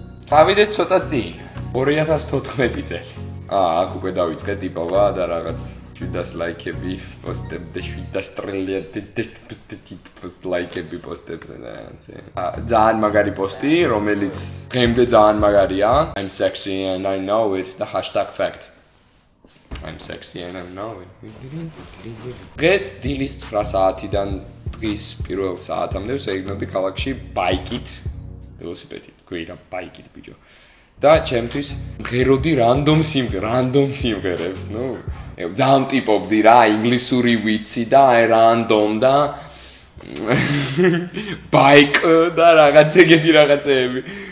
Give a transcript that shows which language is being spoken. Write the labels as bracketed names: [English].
[Georgian] წავიდე ცოტა წინ. 2014 წელი. აა, აქ უკვე დავიწყე ტიპავა და რაღაც 700 ლაიქები პოსტებზე, 700 ტრილიონი ლაიქები პოსტებზე. აა, ძალიან მაგარი პოსტი, რომელიც დღემდე ძალიან მაგარია. [English] I'm sexy and I know it, the hashtag fact. I'm sexy and I know it. [Georgian] დღეს დილის 9 საათიდან დღის პირველ საათამდე ვსეგნობი ქალაქში ბაიკით, ველოსიპედით, გვერდა ბაიკით ბიჭო. Da, ჩემთვის მღეროდი random სიმღერებს, ნუ. Ძალიან ტიპობდი რა, ინგლისური ვიცი და აი random და bike და რაღაც ეგეთი რაღაცები.